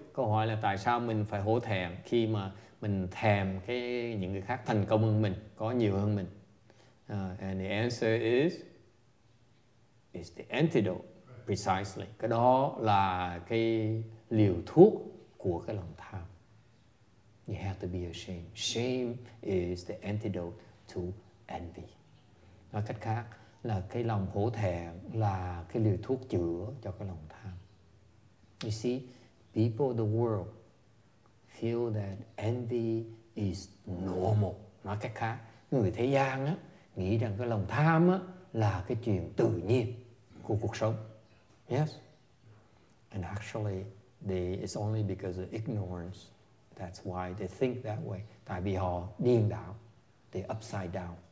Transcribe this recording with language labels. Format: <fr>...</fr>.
<vi>Câu hỏi là tại sao mình phải hổ thẹn khi mà mình thèm những người khác thành công hơn mình, có nhiều hơn mình.</vi> <en>And the answer is, it's the antidote, precisely.</en> <vi>Cái đó là cái liều thuốc của cái lòng tham.</vi> <en>You have to be ashamed. Shame is the antidote to envy.</en> <vi>Nói cách khác là cái lòng hổ thẹn là cái liều thuốc chữa cho cái lòng tham.</vi> <en>You see, people of the world feel that envy is normal.</en> <vi>Nói cách khác, người thế gian á nghĩ rằng cái lòng tham á là cái chuyện tự nhiên của cuộc sống.</vi> <en>Yes. And actually, it's only because of ignorance. That's why they think that way.</en> <vi>Tại vì họ điên đảo.</vi> <en>They're upside down.</en>